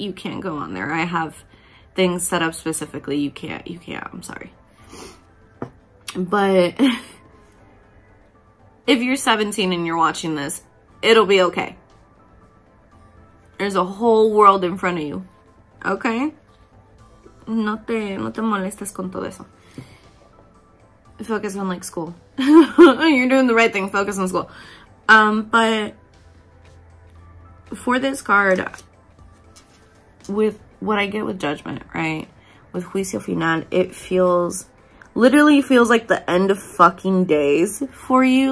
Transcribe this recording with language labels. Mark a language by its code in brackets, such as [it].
[en] You can't go on there. I have things set up specifically. You can't. I'm sorry. But if you're 17 and you're watching this, it'll be okay. There's a whole world in front of you. Okay? [es] No te molestes con todo eso. [en] Focus on like school. You're doing the right thing. Focus on school. But for this card, with what I get with judgment, right? With Juicio Final, it feels, literally feels like the end of fucking days for you.